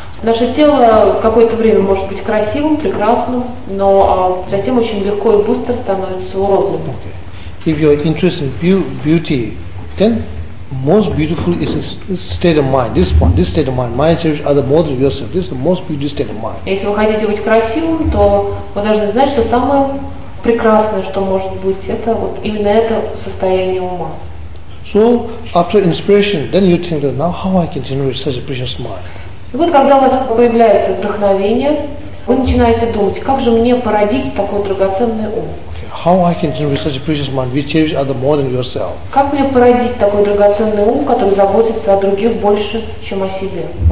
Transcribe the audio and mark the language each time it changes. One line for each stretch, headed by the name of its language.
Russian: Наше тело какое-то время может быть красивым, прекрасным, но затем очень легко и быстро становится уродливым.
English: Okay. If you are interested in beauty, then most beautiful is a state of mind. This one, this state of mind, mind cherish other more than yourself. This is the most beautiful state of mind.
Russian: Если вы хотите быть красивым, то вы должны знать, что самое прекрасное, что может быть, это вот именно это состояние ума.
English: So after inspiration, then you think that now how I can generate such a precious mind?
Russian: И вот когда у вас появляется вдохновение, вы начинаете думать, как же мне породить такой драгоценный ум?
English: How I can generate such a precious mind, which cherish other more than yourself?
Russian: Как мне породить такой драгоценный ум, который заботится о других больше, чем о себе?